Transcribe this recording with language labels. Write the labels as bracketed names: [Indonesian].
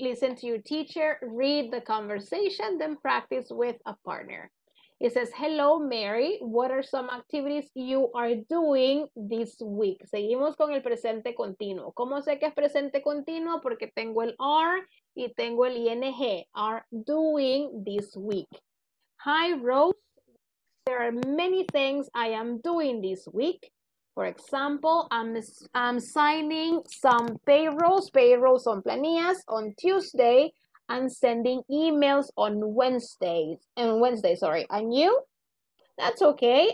[English] Listen to your teacher, read the conversation, then practice with a partner. It says, hello, Mary. What are some activities you are doing this week? [Spanish] Seguimos con el presente continuo. ¿Cómo sé que es presente continuo? Porque tengo el are y tengo el ing. [English] Are doing this week. Hi, Rose. There are many things I am doing this week. For example, I'm signing some payroll [Spanish] son planillas [English] on Tuesday and sending emails on Wednesday. And you? That's okay.